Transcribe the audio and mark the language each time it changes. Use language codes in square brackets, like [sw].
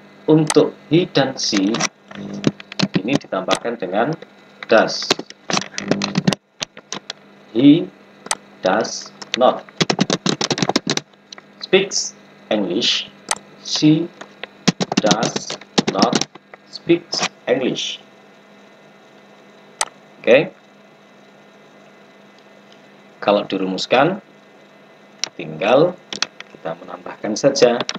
[id] Untuk he dan she, ini ditambahkan dengan does. [en] He does not speaks English. She does not speaks English. Oke, okay. [id] Kalau dirumuskan, tinggal kita menambahkan saja.